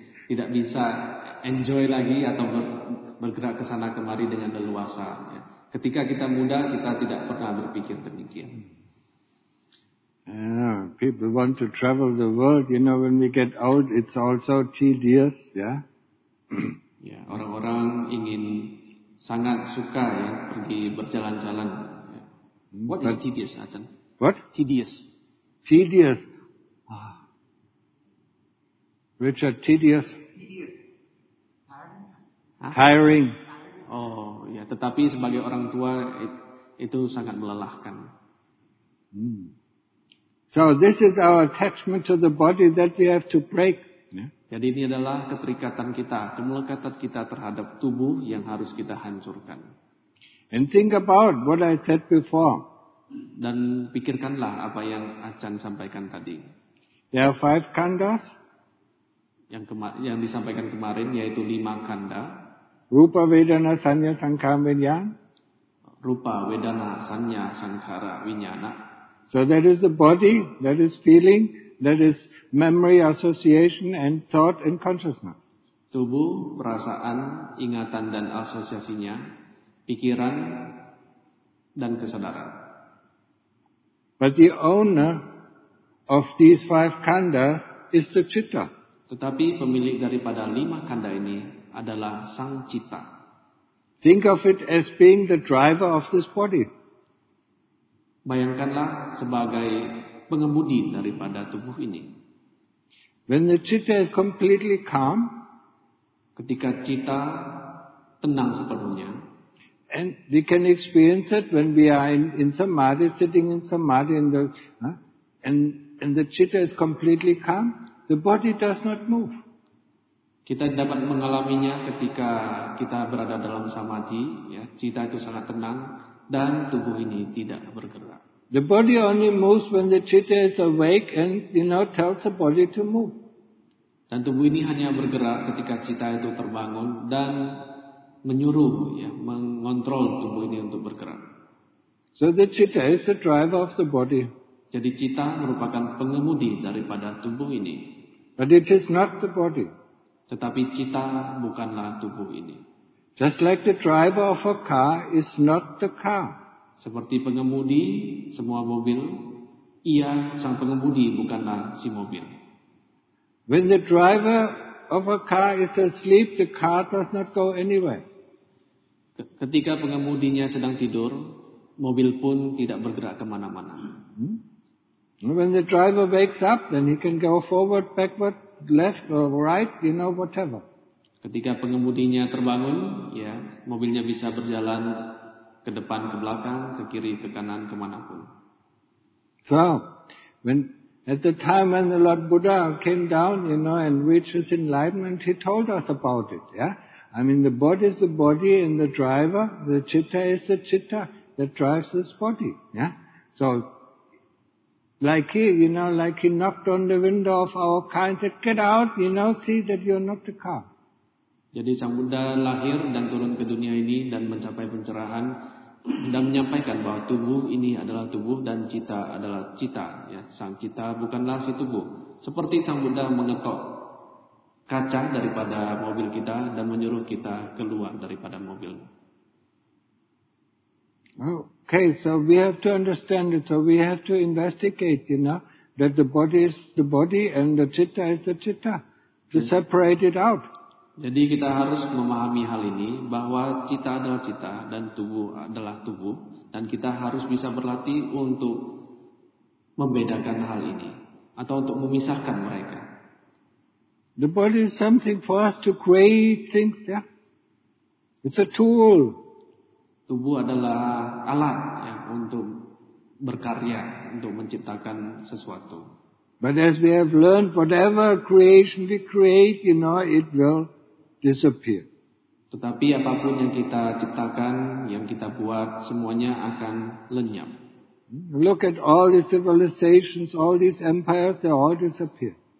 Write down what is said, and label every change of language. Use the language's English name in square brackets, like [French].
[Indonesian] Tidak bisa enjoy lagi atau bergerak ke sana kemari dengan leluasa. Ya. Ketika kita muda, kita tidak pernah berpikir demikian. [English] Yeah, people want to travel the world. You know, when we get old, it's also tedious, yeah. [Indonesian] Yeah, orang-orang ingin sangat suka ya pergi berjalan-jalan. [English] What is tedious, Achan? What? Tedious. Tedious. Richard, tedious. Tedious. Hiring. [Indonesian] Oh, ya. Tetapi sebagai orang tua, itu sangat melelahkan. Hmm. [English] So this is our attachment to the body that we have to break. [Indonesian] Jadi ini adalah keterikatan kita, kemelekatan kita terhadap tubuh yang harus kita hancurkan. [English] And think about what I said before. [Indonesian] Dan pikirkanlah apa yang Achan sampaikan tadi. [English] There are five khandas. [Indonesian] Yang disampaikan kemarin yaitu lima khanda. [Pali] Rupa, vedana, sanya, sankhara, vinyana. Rupa, vedana, sanya, sankhara, vinyana. [English] So that is the body, that is feeling, that is memory, association, and thought and consciousness. [Indonesian] Tubuh, perasaan, ingatan dan asosiasinya, pikiran dan kesadaran. [English] But the owner of these five khandas is the citta. [Indonesian] Tetapi pemilik daripada lima khanda ini adalah sang citta. [English] Think of it as being the driver of this body. [Indonesian] Bayangkanlah sebagai pengemudi daripada tubuh ini. [English] When the citta is completely calm, [Indonesian] Ketika cita tenang sepenuhnya. [English] And we can experience it when we are in samadhi, sitting in samadhi, and the citta is completely calm. The body does not move. [Indonesian] Kita dapat mengalaminya ketika kita berada dalam samadhi, ya, cita itu sangat tenang dan tubuh ini tidak bergerak. [English] The body only moves when the citta is awake and you know tells the body to move. [Indonesian] Dan tubuh ini hanya bergerak ketika cita itu terbangun dan menyuruh, ya, mengontrol tubuh ini untuk bergerak. [English] So the citta is the driver of the body. [Indonesian] Jadi cita merupakan pengemudi daripada tubuh ini. [English] But it is not the body. [Indonesian] Tetapi cita bukanlah tubuh ini. [English] Just like the driver of a car is not the car. [Indonesian] Seperti pengemudi semua mobil, ia sang pengemudi bukanlah si mobil. [English] When the driver of a car is asleep, the car does not go anywhere. [Indonesian] Ketika pengemudinya sedang tidur, mobil pun tidak bergerak kemana-mana. [English] When the driver wakes up, then he can go forward, backward, left or right, you know, whatever. [Indonesian] Ketika pengemudinya terbangun, ya, mobilnya bisa berjalan ke depan, ke belakang, ke kiri, ke kanan, kemanapun. [English] So, when at the time when the Lord Buddha came down, you know, and reached his enlightenment, he told us about it, yeah. I mean, the body is the body and the driver, the citta is the citta that drives this body, yeah. So, like he, you know, like he knocked on the window of our car and said, get out, you know, see that you're not the car. [Indonesian] Jadi Sang Buddha lahir dan turun ke dunia ini dan mencapai pencerahan dan menyampaikan bahwa tubuh ini adalah tubuh dan cita adalah cita. Ya, sang cita bukanlah si tubuh. Seperti Sang Buddha mengetok kaca daripada mobil kita dan menyuruh kita keluar daripada mobil. [English] Okay, so we have to understand it. So we have to investigate, you know, that the body is the body and the citta is the citta. To separate it out. [Indonesian] Jadi kita harus memahami hal ini, bahwa cita adalah cita dan tubuh adalah tubuh. Dan kita harus bisa berlatih untuk membedakan hal ini. Atau untuk memisahkan mereka. [English] The body is something for us to create things, yeah? It's a tool. [Indonesian] Tubuh adalah alat, ya, untuk berkarya, untuk menciptakan sesuatu. [English] But as we have learned, whatever creation we create, you know, it will disappear. [Indonesian] Tetapi apapun yang kita ciptakan, yang kita buat, semuanya akan lenyap. [English] Look at all these civilizations, all these empires, they all disappear.